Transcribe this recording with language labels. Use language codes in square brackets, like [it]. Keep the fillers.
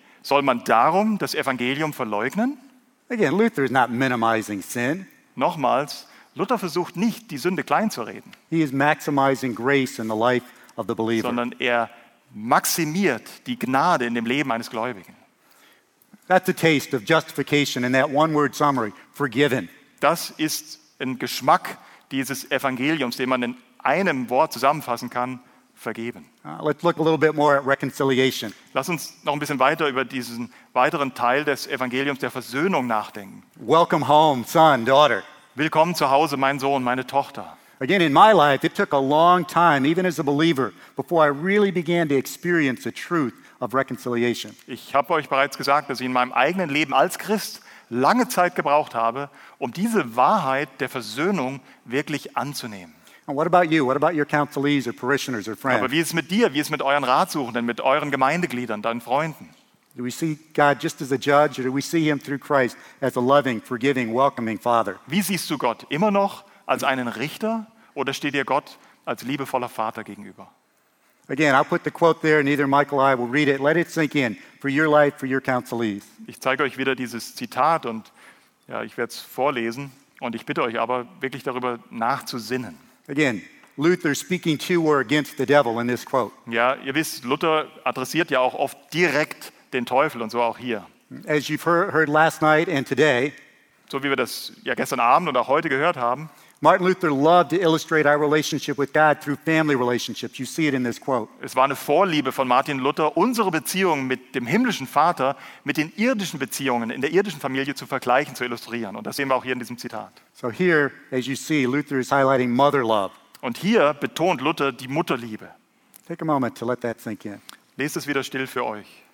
[de] Soll man darum das Evangelium verleugnen? [en] Again, Luther is not minimizing sin. [de] Nochmals, Luther versucht nicht, die Sünde klein zu reden, Sondern er maximiert die Gnade in dem Leben eines Gläubigen. [en] That's a taste of justification in that one word summary, forgiven. [de] Das ist ein Geschmack dieses Evangeliums, den man in einem Wort zusammenfassen kann, Uh, [en] let's look a little bit more at reconciliation. [de] Lass uns noch ein bisschen weiter über diesen weiteren Teil des Evangeliums der Versöhnung nachdenken. [en] Welcome home, son, daughter. [de] Willkommen zu Hause, mein Sohn, meine Tochter. [en] Again, in my life, it took a long time, even as a believer, before I really began to experience the truth of reconciliation. [de] Ich habe euch bereits gesagt, dass ich in meinem eigenen Leben als Christ lange Zeit gebraucht habe, um diese Wahrheit der Versöhnung wirklich anzunehmen. [en] What about you? What about your or parishioners or [de] aber wie ist es mit dir? Wie ist es mit euren Ratsuchenden, mit euren Gemeindegliedern, deinen Freunden? [en] Do we see God just as a judge, or do we see Him through Christ as a loving, forgiving, welcoming Father? [de] Wie siehst du Gott immer noch als einen Richter, oder steht dir Gott als liebevoller Vater gegenüber? [en] Again, I'll put the quote there, and neither Michael I will read it. Let it sink in for your life, for your counselees. [de] Ich zeige euch wieder dieses Zitat, und ja, ich werde es vorlesen, und ich bitte euch aber wirklich darüber nachzusinnen. [en] Again, Luther speaking to or against the devil in this quote. [de] Ja, ihr wisst, Luther adressiert ja auch oft direkt den Teufel und so auch hier. [en] As you've heard, heard last night and today, [de] so wie wir das ja gestern Abend und auch heute gehört haben, [en] Martin Luther loved to illustrate our relationship with God through family relationships. You see it in this quote. [de] Es war eine Vorliebe von Martin Luther, unsere Beziehung mit dem himmlischen Vater mit den irdischen Beziehungen in der irdischen Familie zu vergleichen, zu illustrieren und das sehen wir auch hier in diesem Zitat. [en] So here, as you see, Luther is highlighting mother love. [de] betont Luther die Mutterliebe. [en] Take a moment to let that sink in. [de] Lest es wieder still für euch.